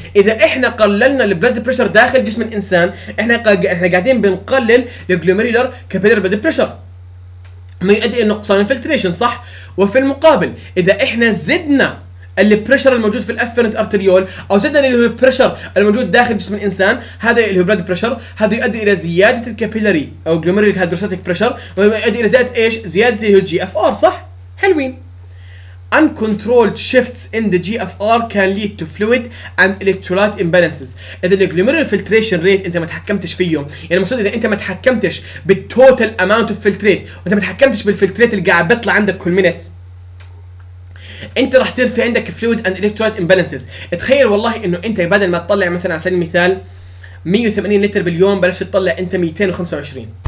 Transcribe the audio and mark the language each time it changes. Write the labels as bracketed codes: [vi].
[ar] اذا احنا قللنا البلد بريشر داخل جسم الانسان، احنا قاعدين بنقلل الجلوميرولر كابيلاري بلد بريشر، ما يؤدي الى نقصان الفلتريشن صح؟ وفي المقابل اذا احنا زدنا البريشر الموجود في الافرنت ارتريول او زدنا اللي هو البريشر الموجود داخل جسم الانسان، هذا اللي هو بلد بريشر، هذا يؤدي الى زياده الكابيلاري او جلوميرولر هيدروستاتيك بريشر، ويؤدي الى زياده ايش؟ زياده اللي هو الجي اف ار صح؟ حلوين. [en] Uncontrolled shifts in the GFR can lead to fluid and electrolyte imbalances. [ar] إذا الجلوميرولر فلتريشن ريت أنت ما تحكمتش فيهم، يعني المقصود إذا أنت ما تحكمتش بالتوتال أماونت أوف فلتريت، وأنت ما تحكمتش بالفلتريت اللي قاعد بيطلع عندك كل مينت، أنت راح يصير في عندك [en] fluid and electrolyte imbalances. [ar] تخيل والله إنه أنت بدل ما تطلع مثلا على سبيل المثال 180 لتر باليوم، بلشت تطلع أنت 225.